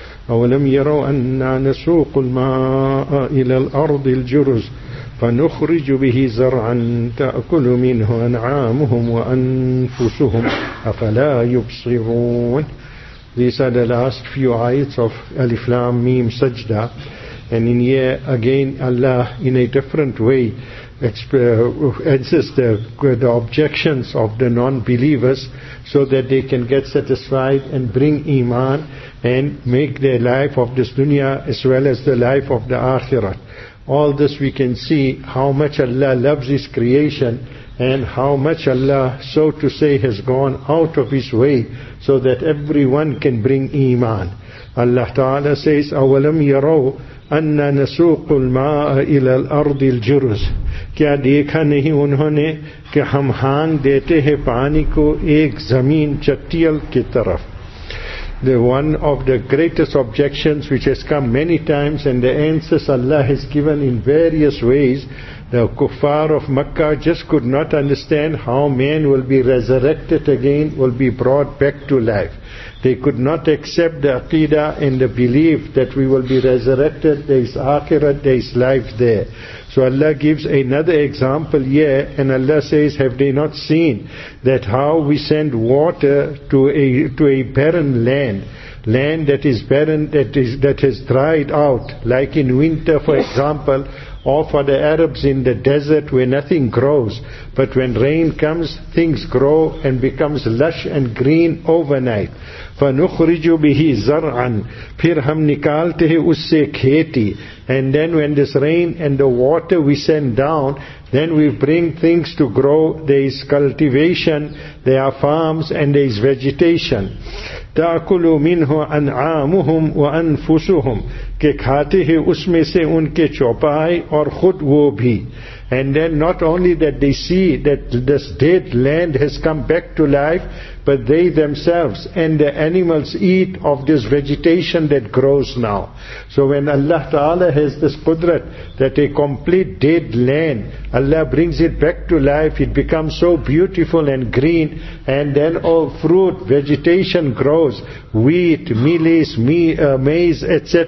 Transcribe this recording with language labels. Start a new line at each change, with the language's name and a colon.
Arabic: أولم يروا أننا نسوق الماء إلى الأرض الجرز فنخرج به زرعا تأكل منه أنعامهم وأنفسهم أفلا يبصرون.
English: These are the last few ayats of Alif Lam Mim Sajda. And in here again Allah in a different way answers the objections of the non-believers so that they can get satisfied and bring iman and make their life of this dunya as well as the life of the akhirat. All this we can see how much Allah loves His creation and how much Allah, so to say, has gone out of His way so that everyone can bring iman. Allah Ta'ala says,
Arabic: أَوَلَمْ يَرَوْا أَنَّا نَسُوقُ الْمَاءَ إِلَى الْأَرْضِ الْجُرُزِ.
Urdu: کیا دیکھا نہیں انہوں نے کہ ہم Hong دیتے ہیں پانی کو ایک زمین چٹیل کی طرف.
English: The one of the greatest objections which has come many times and the answers Allah has given in various ways, the kuffar of Makkah just could not understand how man will be resurrected again, will be brought back to life. They could not accept the aqidah and the belief that we will be resurrected, there is akhirat, there is life there. So Allah gives another example here, and Allah says, have they not seen that how we send water to a barren land? Land that is barren, that has dried out, like in winter, for example, or for the Arabs in the desert where nothing grows. But when rain comes, things grow and becomes lush and green overnight.
Arabic: فَنُخْرِجُ بِهِ زَرْعًا
Urdu: پھر ہم نکالتے ہیں اس سے کھیتی.
English: And then when this rain and the water we send down, then we bring things to grow. There is cultivation, there are farms, and there is vegetation.
Arabic: تَأْكُلُ مِنْهُ أَنْعَامُهُمْ وَأَنْفُسُهُمْ
Urdu: کہ کھاتے ہیں اس میں سے ان کے چوپائے اور خود وہ بھی.
English: And then not only that they see that this dead land has come back to life, but they themselves and the animals eat of this vegetation that grows now. So when Allah Ta'ala has this qudrat that a complete dead land, Allah brings it back to life, it becomes so beautiful and green, and then all fruit, vegetation grows, wheat, maize, etc.